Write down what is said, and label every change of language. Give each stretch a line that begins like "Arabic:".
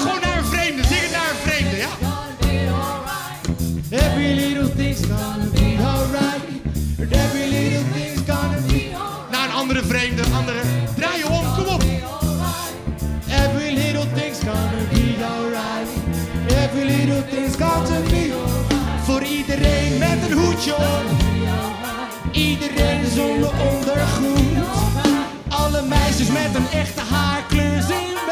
Dutch: Gewoon naar een vreemde, zing het naar een vreemde, ja?
English: Every little thing's gonna be alright. Every little thing's gonna be alright.
Dutch: Naar een andere vreemde, andere. Draai je om, kom op.
English: Every little thing's gonna be alright. Every little thing's gonna be alright.
Dutch: Voor iedereen met een hoedje op. Iedereen zonder ondergoed. Alle meisjes met een echte haarkleur zien.